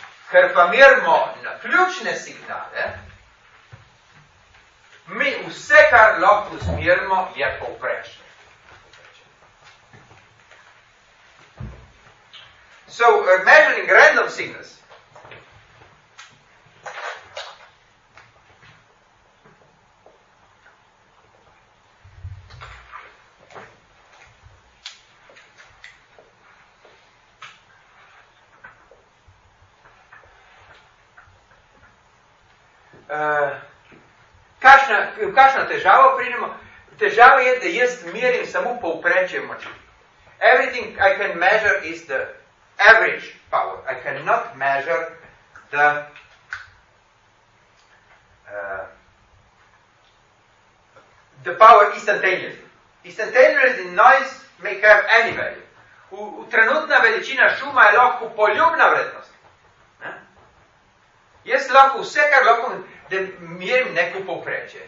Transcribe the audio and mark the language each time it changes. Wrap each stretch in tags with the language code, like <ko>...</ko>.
<sl>Ker pa merimo na ključne signale, mi vse, kar lahko zmerimo, je povprečno.</sl> <en>So, measuring random signals.</en> <sl>Kakšna težava pridemo? Težava je, da jaz merim samo povprečje moči.</sl> <en>Everything I can measure is the average power. I cannot measure the the power instantaneously. Instantaneously noise may have any value.</en> <sl>U trenutna veličina šuma je lahko poljubna vrednost. Jaz lahko vse, kar lahko da merim neko povprečje.</sl>